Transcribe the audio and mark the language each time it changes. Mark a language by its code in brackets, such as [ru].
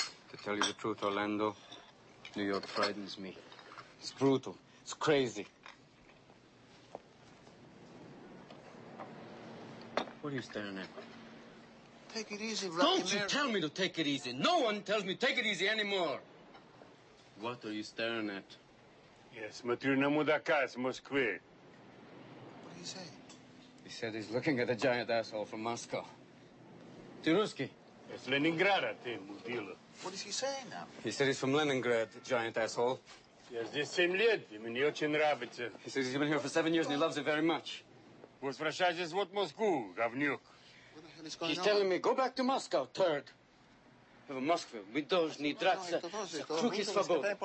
[en] To tell you the truth, Orlando, New York frightens me. It's brutal. It's crazy. What are you staring at? Take it easy, Rocky. Don't you tell me to take it easy. No one tells me to take it easy anymore. What are you staring at? Yes, [ru] смотрю на мудака из Москвы. [en] What did he say? He said he's looking at a giant asshole from Moscow. [ru] Ты русский? [en] Yes, [ru] Leningrad, ты мудила. [en] What is he saying now? He said he's from Leningrad, giant asshole. [ru] Я здесь 7 лет, и мне очень нравится. [en] He says he's been here for 7 years and he loves it very much. [ru] Возвращайтесь вот в Москву, говнюк. [en] He's telling me, go back to Moscow, turd. [ru] В Москве мы должны драться за круг и свободу.